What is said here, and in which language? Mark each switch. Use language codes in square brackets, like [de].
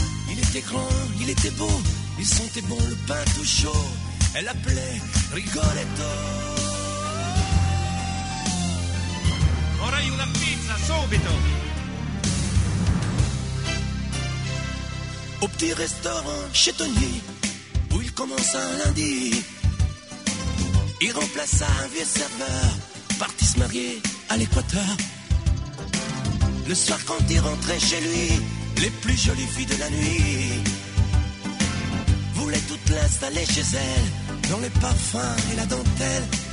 [fr] Il était grand, il était beau, il sentait bon le pain tout chaud, elle appelait Rigoletto. [it] Vorrei una pizza subito. [fr] Au petit restaurant chez Tony, où il commença un lundi, il remplaça un vieux serveur, parti se marier à l'Équateur. Le soir quand il rentrait chez lui, les plus jolies filles de la nuit voulait toute l'installer chez elle, dans les parfums et la dentelle.